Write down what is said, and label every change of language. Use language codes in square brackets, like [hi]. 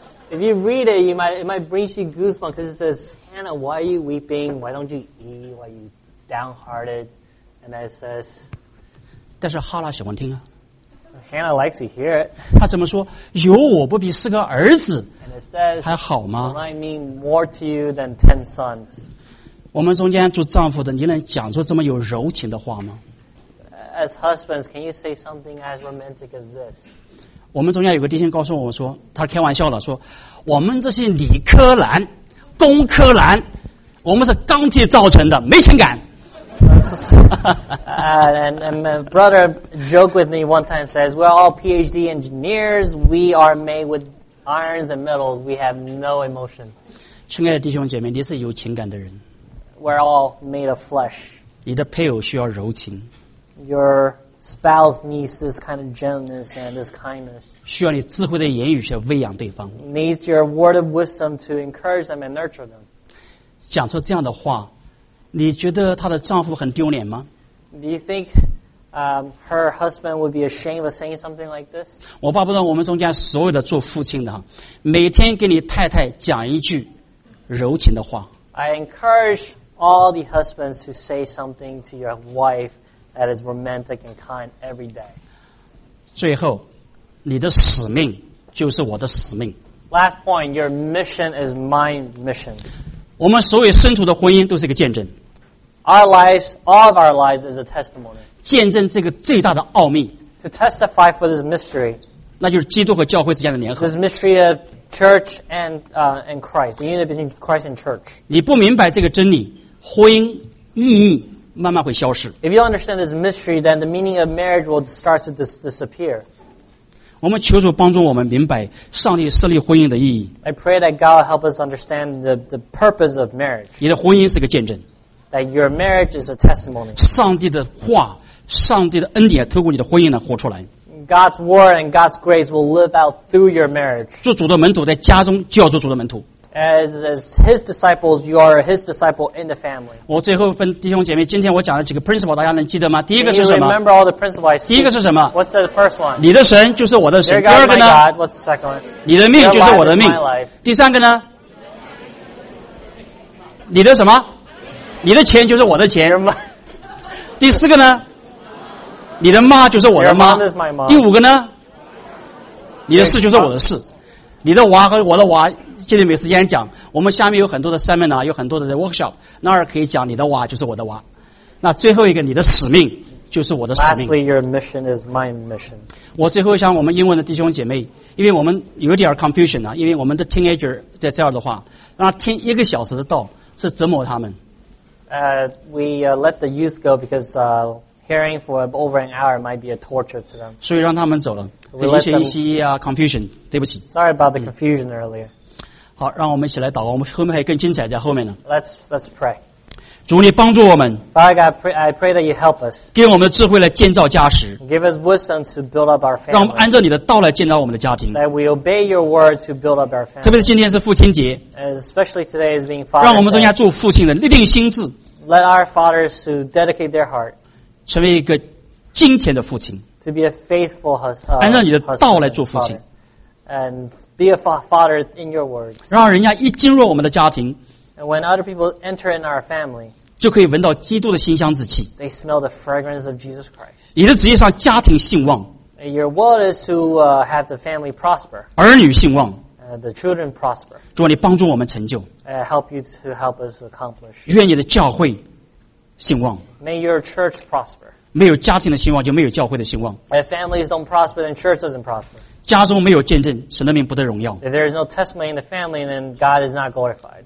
[en] If you read it, it might bring you goosebumps because it says, Hannah, why are you weeping? Why don't you eat? Why are you downhearted? And then it says, [zh] 但是哈拉喜欢听啊。 [en] Hannah likes to hear it. [zh] 他怎么说？有我不比四个儿子 [en] and it says, [zh] 还好吗 [en] ？Will I mean more to you than 10 sons? [zh] 我们中间做丈夫的，你能讲出这么有柔情的话吗 [en] ？As husbands, can you say something as romantic as this? [zh] 我们中间有个弟兄告诉我们说，他开玩笑了，说我们这些理科男、工科男，我们是钢铁造成的，没情感。 [en] And my brother joked with me one time, says we're all PhD engineers, we are made with irons and metals, we have no emotion. [zh] 亲爱的弟兄姐妹，你是有情感的人。 [en] We're all made of flesh. [zh] 你的配偶需要柔情。 [en] Your spouse needs this kind of gentleness and this kindness. [zh] 需要你智慧的言语去喂养对方。 [en] Needs your word of wisdom to encourage them and nurture them. [zh] 讲出这样的话，你觉得她的丈夫很丢脸吗 [en] ？Do you think, her husband would be ashamed of saying something like this? [zh] 我巴不得我们中间所有的做父亲的，每天给你太太讲一句柔情的话。 [en] I encourage all the husbands to say something to your wife. That is romantic and kind every day. [zh] 最后，你的使命就是我的使命。 [en] Last point, your mission is my mission. [zh] 我们所有身处的婚姻都是一个见证。 [en] Our lives, all of our lives, is a testimony. [zh] 见证这个最大的奥秘。 [en] To testify for this mystery. [zh] 那就是基督和教会之间的联合。 [en] This mystery of church and Christ, the unity between Christ and church. [zh] 你不明白这个真理，婚姻意义。慢慢会消失。 [en] If you understand this mystery, then the meaning of marriage will start to disappear. [zh] 我们求主帮助我们明白上帝设立婚姻的意义。 [en] I pray that God help us understand the purpose of marriage. [zh] 你的婚姻是个见证。 [en] That your marriage is a testimony. [zh] 上帝的话，上帝的恩典透过你的婚姻能活出来。 [en] God's word and God's grace will live out through your marriage. [zh] 做主的门徒在家中就要做主的门徒。 [en] As his disciples, you are his disciple in the family. [zh] 我最后分弟兄姐妹，今天我讲了几个 principle， 大家能记得吗？第一个是什么 [en] ？Remember all the principles. [zh] 第一个是什么 [en] ？What's the first one? [zh] 你的神就是我的神。第二个呢 [en] ？What's the second one? [zh] 你的命就是我的命。第三个呢？你的什么？你的钱就是我的钱。第四个呢？你的妈就是我的妈。第五个呢？你的事就是我的事。你的娃和我的娃。今天没时间讲，我们下面有很多的 seminar， 有很多的 workshop， 那儿可以讲你的娃就是我的娃。那最后一个，你的使命就是我的使命。 [en] Lastly, your mission is my mission. [zh] 我最后想我们英文的弟兄姐妹，因为我们有点 confusion 啊，因为我们的 teenager 在这儿的话，那听一个小时的道是折磨他们。 [en] Let the youth go because hearing for over an hour might be a torture to them. [zh] 所以让他们走了，引起一些啊 confusion， 对不起。 [en] Sorry about the confusion earlier. [zh] 好，让我们一起来祷告。我们后面还有更精彩在后面呢。 [en] Let's pray. [zh] 主，你帮助我们。 [en] Father God, I pray that you help us. [zh] 给我们的智慧来建造家室。 [en] Give us wisdom to build up our family. [zh] 让我们按照你的道来建造我们的家庭。 [en] That we obey your word to build up our family. [zh] 特别是今天是父亲节。 [en] Especially today is being Father's Day. [zh] 让我们中间做父亲的立定心智。 [en] Let our fathers to dedicate their heart. [zh] 成为一个敬虔的父亲。 [en] To be a faithful husband. [zh] 按照你的道来做父亲。 [en] And be a father in your words. [zh] 让人家一进入我们的家庭 [en] ，and when other people enter in our family, [zh] 就可以闻到基督的馨香之气。 [en] They smell the fragrance of Jesus Christ. [zh] 你的旨意是让家庭兴旺 [en] Your world is to have the family prosper. [zh] 儿女兴旺。 [en] The children prosper. [zh] 主啊，你帮助我们成就。 [en] Help you to help us accomplish. [zh] 愿你的教会兴旺。 [en] May your church prosper. [zh] 没有家庭的兴旺，就没有教会的兴旺。 [en] If families don't prosper, then church doesn't prosper. [zh] 家中没有见证，神的名不得荣耀。 [en] If there is no testimony in the family, then God is not glorified.